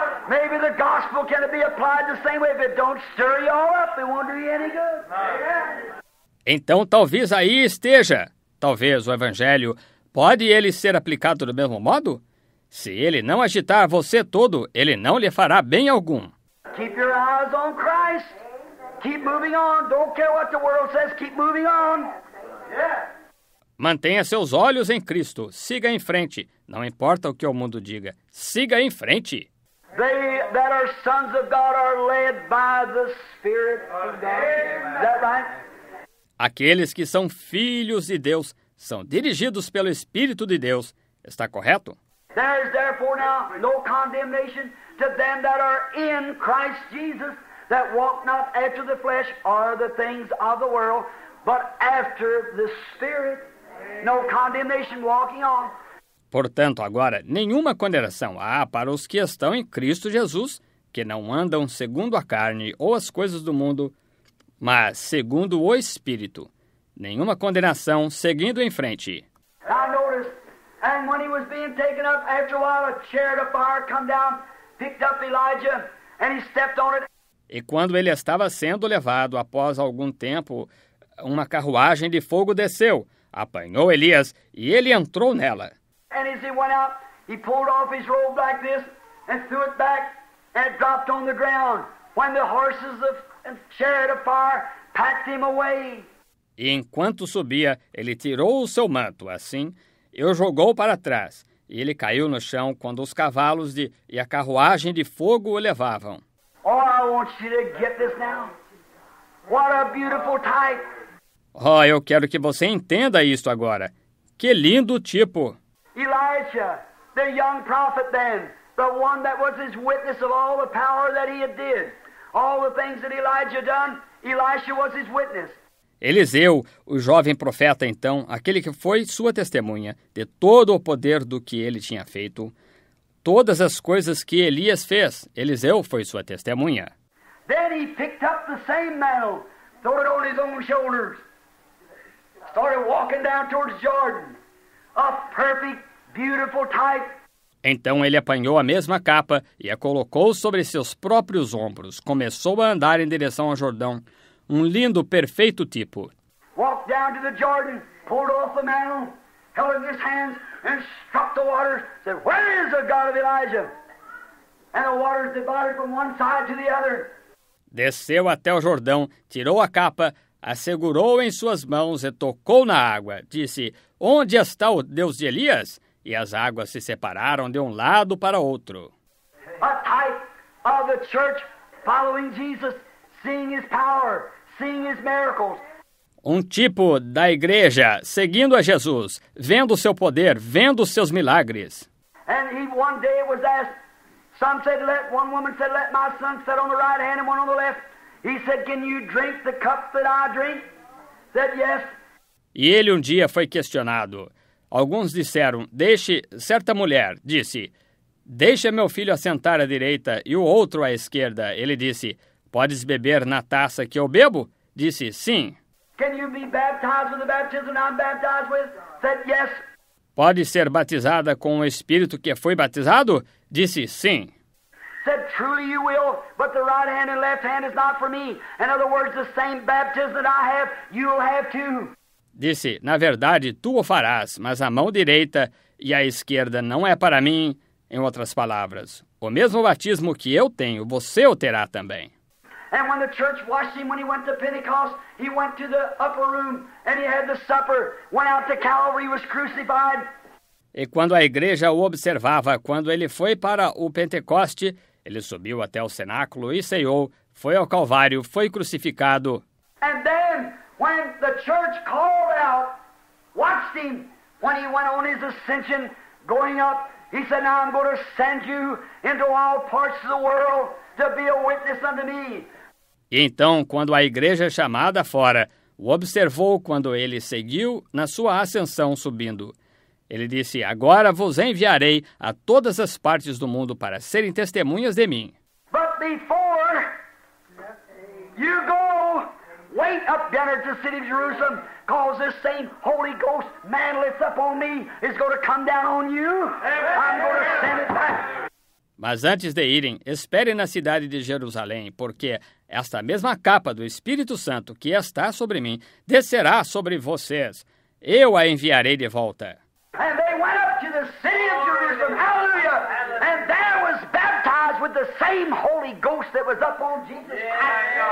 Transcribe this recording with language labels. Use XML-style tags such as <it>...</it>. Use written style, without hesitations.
<en>Maybe the gospel can be applied the same way. If it don't stir you all up, it won't do you any good.</en> <pt>Então, talvez aí esteja. Talvez o evangelho, pode ele ser aplicado do mesmo modo? Se ele não agitar você todo, ele não lhe fará bem algum.</pt> <en>Keep your eyes on Christ. Keep moving on. Don't care what the world says. Keep moving on.</en> <pt>Mantenha seus olhos em Cristo. Siga em frente. Não importa o que o mundo diga. Siga em frente.</pt> <en>They that are sons of God are led by the Spirit of God. Is that right?</en> <pt>Aqueles que são filhos de Deus são dirigidos pelo Espírito de Deus. Está correto?</pt> <en>There is therefore now no condemnation to them that are in Christ Jesus, that walk not after the flesh or the things of the world, but after the Spirit. No condemnation walking on.</en> <pt>Portanto, agora, nenhuma condenação há para os que estão em Cristo Jesus, que não andam segundo a carne ou as coisas do mundo, mas segundo o Espírito. Nenhuma condenação seguindo em frente.</pt> <en>Now notice, and when he was being taken up, after a while a chariot of fire come down, picked up Elijah, and he stepped on it.</en> <pt>E quando ele estava sendo levado, após algum tempo, uma carruagem de fogo desceu, apanhou Elias e ele entrou nela.</pt> <en>And as he went out, he pulled off his robe like this and threw it back and dropped on the ground when the horses of and chariot of fire packed him away.</en> <pt>E enquanto subia, ele tirou o seu manto assim e o jogou para trás. E ele caiu no chão quando os cavalos de e a carruagem de fogo o levavam.</pt> <en>Oh, I want you to get this now. What a beautiful type.</en> <pt>Oh, eu quero que você entenda isto agora. Que lindo tipo.</pt> <en>Elijah, the young prophet then, the one that was his witness of all the power that he had did. All the things that Elijah done, Elisha was his witness.</en> <pt>Eliseu, o jovem profeta então, aquele que foi sua testemunha de todo o poder do que ele tinha feito, todas as coisas que Elias fez, Eliseu foi sua testemunha.</pt> <en>Then he picked up the same mantle, threw it on his own shoulders, started walking down towards Jordan, a perfect, beautiful type.</en> <pt>Então ele apanhou a mesma capa e a colocou sobre seus próprios ombros, começou a andar em direção ao Jordão, um lindo, perfeito tipo.</pt> <en>Walked down to the Jordan, pulled off the mantle, held it in his hands, and struck the waters, said, where is the God of Elijah? And the waters divided from one side to the other.</en> <pt>Desceu até o Jordão, tirou a capa, assegurou em suas mãos e tocou na água. Disse, onde está o Deus de Elias? E as águas se separaram de um lado para outro.</pt> <en>A type of the church following Jesus, seeing his power, seeing his miracles.</en> <pt>Um tipo da igreja seguindo a Jesus, vendo o seu poder, vendo os seus milagres.</pt> <en>And he one day was asked, some said, let, one woman said, let my son sit on the right hand and one on the left. He said, can you drink the cup that I drink? Said, yes.</en> <pt>E ele um dia foi questionado. Alguns disseram, deixe, certa mulher disse, deixe meu filho assentar à direita e o outro à esquerda. Ele disse, podes beber na taça que eu bebo? Disse, sim.</pt> <en>Can you be baptized with the baptism I'm baptized with? Said, yes.</en> <pt>Pode ser batizada com o Espírito que foi batizado? Disse, sim.</pt> <en>Said, truly you will, but the right hand and left hand is not for me. In other words, the same baptism that I have, you will have too.</en> <pt>Disse, na verdade, tu o farás, mas a mão direita e a esquerda não é para mim. Em outras palavras, o mesmo batismo que eu tenho, você o terá também.</pt> <en>And when the church washed him when he went to Pentecost, he went to the upper room and he had the supper, went out to Calvary, was crucified.</en> <pt>E quando a igreja o observava, quando ele foi para o Pentecoste, ele subiu até o cenáculo e ceou, foi ao Calvário, foi crucificado.</pt> <en>And then, when the church called out, watched him, when he went on his ascension, going up, he said, now I'm going to send you into all parts of the world to be a witness unto me.</en> <pt>E então, quando a igreja chamada fora, o observou quando ele seguiu na sua ascensão subindo. Ele disse, agora vos enviarei a todas as partes do mundo para serem testemunhas de mim.</pt> <en>But before you go, wait up, Dennis, the city of Jerusalem, cause this same Holy Ghost man lifts up on me is going to come down on you. I'm going to send it back.</en> <pt>Mas antes de irem, esperem na cidade de Jerusalém, porque esta mesma capa do Espírito Santo que está sobre mim descerá sobre vocês. Eu a enviarei de volta.</pt> <en>And they went up to the city of Jerusalem, hallelujah, and there was baptized with the same Holy Ghost that was up on Jesus Christ.</en>